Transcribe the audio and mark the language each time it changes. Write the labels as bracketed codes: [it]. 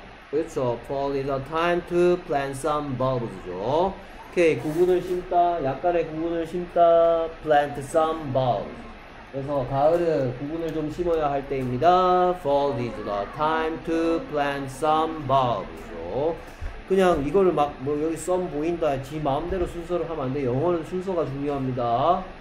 [ko] 그렇죠, [en] fall is a time to plant some bulbs죠. [ko] 오케이, 구근을 심다, 약간의 구근을 심다, [en] plant some bulbs. [ko] 그래서 가을은 구근을 좀 심어야 할 때입니다. [en] Fall is the time to plant some bulbs. [ko] 그냥 이거를 막 뭐 여기 썸 보인다 지 마음대로 순서를 하면 안 돼. 영어는 순서가 중요합니다.